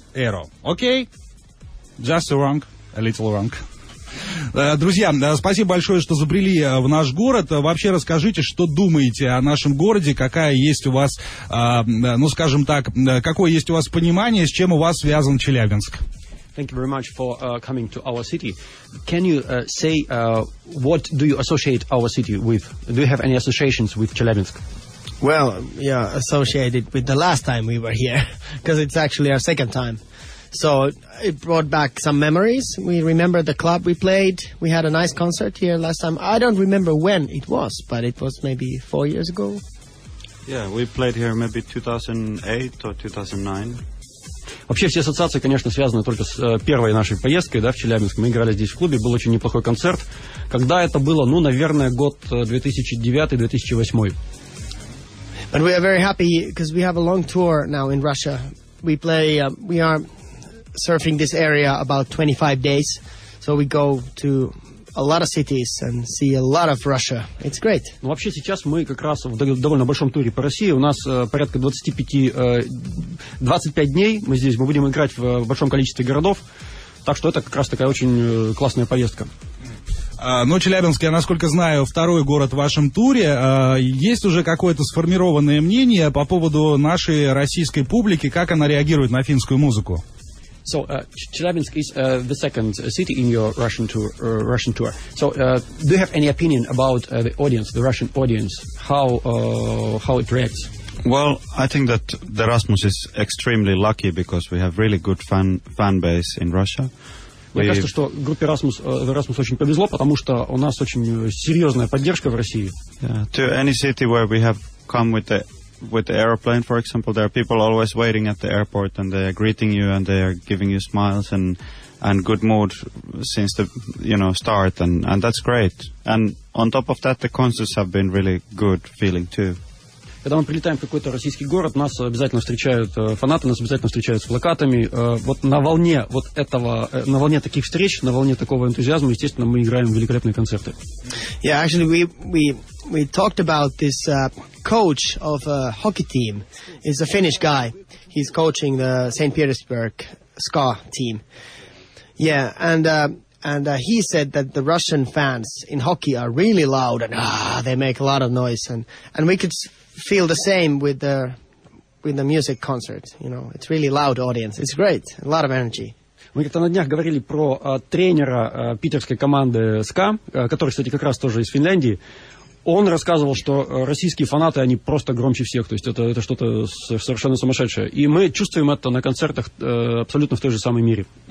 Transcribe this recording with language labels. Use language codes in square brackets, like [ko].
[en] Эро. Окей. Just wrong. A little wrong. [ru] Друзья, спасибо большое, что забрели в наш город. Вообще расскажите, что думаете о нашем городе, какая есть у вас, ну скажем так, какое есть у вас понимание, с чем у вас связан Челябинск? [en] Thank you very much for coming to our city. Can you say what do you associate our city with? Do you have any associations with Chelyabinsk? Well, yeah, associated with the last time we were here, because it's actually our second time. So it brought back some memories. We remember the club we played. We had a nice concert here last time. I don't remember when it was, but it was maybe 4 years ago. Yeah, we played here maybe 2008 or 2009. [ru] Вообще все ассоциации, конечно, связаны только с первой нашей поездкой, да, в Челябинск. Мы играли здесь в клубе, был очень неплохой концерт. Когда это было? Ну, наверное, год 2009-2008. [en] But we are very happy because we have a long tour now in Russia. We play, we are surfing this area about 25 days. So we go to a lot of cities and see a lot of Russia. It's great. [ru] Ну, вообще сейчас мы как раз в довольно большом туре по России. У нас порядка 25 дней мы здесь. Мы будем играть в большом количестве городов. Так что это как раз такая очень классная поездка. Ну, Челябинск, я, насколько знаю, второй город в вашем туре. Есть уже какое-то сформированное мнение по поводу нашей российской публики, как она реагирует на финскую музыку? [en] So Chelyabinsk is the second city in your Russian tour. Russian tour. So do you have any opinion about the audience, the Russian audience, how it reacts? Well, I think that the Rasmus is extremely lucky because we have really good fan base in Russia. [ru] Мне кажется, что группе Rasmus очень повезло, потому что у нас очень серьезная поддержка в России. [en] Yeah. To any city where we have come with the airplane, for example, there are people always waiting at the airport and they are greeting you and they are giving you smiles and good mood since the, you know, start, and that's great. And on top of that, the concerts have been really good feeling too. [ru] Когда мы прилетаем в какой-то российский город, нас обязательно встречают фанаты, нас обязательно встречают с плакатами. Вот на волне вот этого, на волне таких встреч, на волне такого энтузиазма, естественно, мы играем великолепные концерты. [en] Yeah, actually, we talked about this coach of a hockey team. He's a Finnish guy. He's coaching the St. Petersburg SKA team. Yeah, and he said that the Russian fans in hockey are really loud and they make a lot of noise, and we could feel the same with the music concert. You know, it's really loud audience. It's great. A lot of energy. [ru] Мы как-то на днях говорили про тренера питерской команды СКА, который, кстати, как раз тоже из Финляндии. Он рассказывал, что российские фанаты, они просто громче всех. То есть это что-то совершенно сумасшедшее. И мы чувствуем это на концертах абсолютно в той же самой мере.